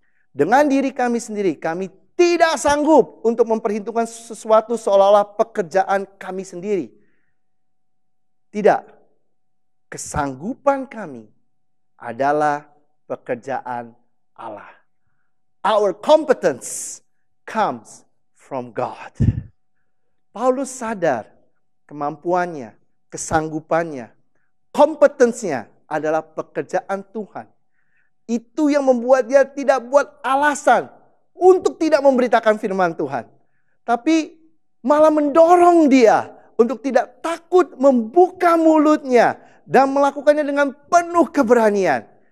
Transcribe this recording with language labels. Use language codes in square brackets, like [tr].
[id] Dengan diri kami sendiri, kami tidak sanggup untuk memperhitungkan sesuatu seolah-olah pekerjaan kami sendiri. Tidak, kesanggupan kami adalah pekerjaan Allah. [en] Our competence comes from God. [id] Paulus sadar kemampuannya, kesanggupannya, kompetensinya adalah pekerjaan Tuhan. Itu yang membuat dia tidak buat alasan untuk tidak memberitakan firman Tuhan. Tapi malah mendorong dia untuk tidak takut membuka mulutnya dan melakukannya dengan penuh keberanian.